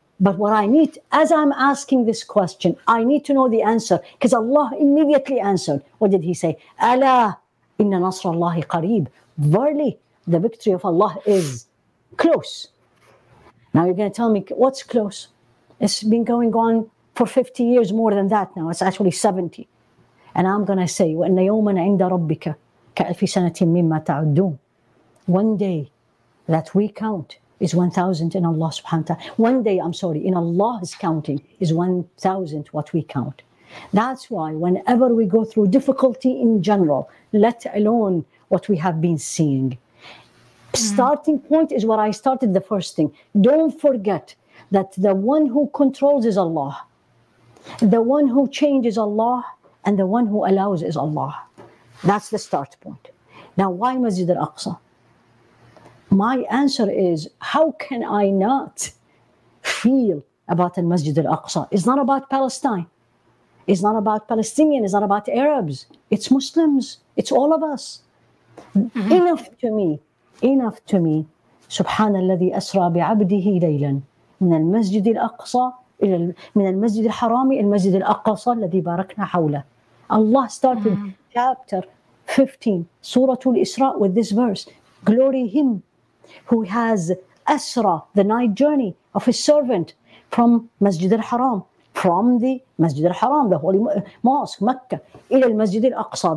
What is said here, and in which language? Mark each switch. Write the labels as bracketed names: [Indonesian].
[English] But what I need, as I'm asking this question, I need to know the answer, because Allah immediately answered. What did He say? [Arabic] Ala, inna nasra Allahi qareeb. [English] Verily, the victory of Allah is close. Now you're going to tell me, what's close? It's been going on for 50 years, more than that now. It's actually 70. And I'm going to say, [Arabic] وَأَنَّ يَوْمًا عِنْدَ رَبِّكَ كَأَلْفِ سَنَةٍ مِمَّا تَعُدُّونَ. [English] One day that we count is 1,000 in Allah subhanahu wa ta'ala. One day, I'm sorry, in Allah's counting is 1,000 what we count. That's why whenever we go through difficulty in general, let alone what we have been seeing, starting point is what I started the first thing. Don't forget that the one who controls is Allah. The one who changes Allah and the one who allows is Allah. That's the start point. Now, why Masjid al-Aqsa? My answer is, how can I not feel about the Masjid al-Aqsa? It's not about Palestine. It's not about Palestinians. It's not about Arabs. It's Muslims. It's all of us. enough to me, enough to me. [Arabic] سبحان الذي أسرى بعبده ليلا من المسجد الأقصى إلى من المسجد الحرام إلى المسجد الأقصى الذي باركنا حوله. [English] Allah started chapter 15, Surah Al-Isra, with this verse. Glory Him who has Asra, the night journey of His servant from Masjid Al-Haram, from the Masjid Al-Haram, the Holy Mosque, Mecca, [Arabic] إلى المسجد الأقصى.